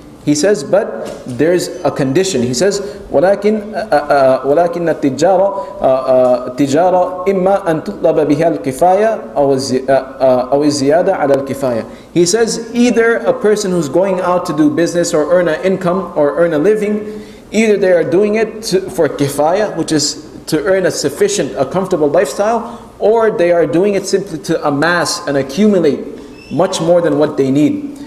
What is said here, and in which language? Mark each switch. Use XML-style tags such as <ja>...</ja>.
<en>He says, but there's a condition. He says,</en> <ar>وَلَكِنَّ التِّجَارَ تِجَارَ إِمَّا أَن تُطْلَبَ بِهَا الْكِفَايَةَ أَوِ الزِّيَادَ عَلَى الْكِفَايَةَ.</ar> <en>He says, either a person who's going out to do business or earn an income or earn a living, either they are doing it for kifaya, which is to earn a comfortable lifestyle, or they are doing it simply to amass and accumulate much more than what they need.</en>